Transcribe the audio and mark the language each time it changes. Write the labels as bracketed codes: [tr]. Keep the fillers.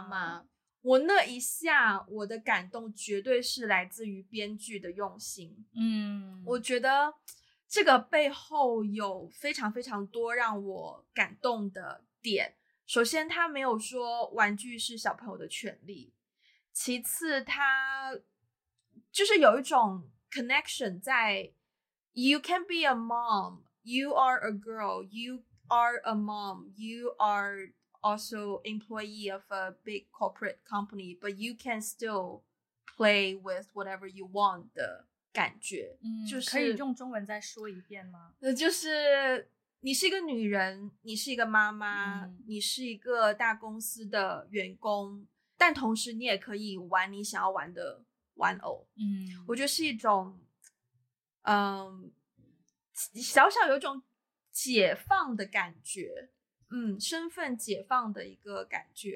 [zh] 妈妈我那一下我的感动绝对是来自于编剧的用心。嗯，我觉得这个背后有非常非常多让我感动的点。首先，他没有说玩具是小朋友的权利；其次，他就是有一种。 [en] connection 在，you can be a mom，you are a girl，you are a mom，you are also employee of a big corporate company，but you can still play with whatever you want [zh] 的感觉，嗯，就是可以用中文再说一遍吗？那就是你是一个女人，你是一个妈妈，你是一个大公司的员工，但同时你也可以玩你想要玩的。玩偶，嗯，我觉得是一种，嗯，小小有一种解放的感觉，嗯，身份解放的一个感觉。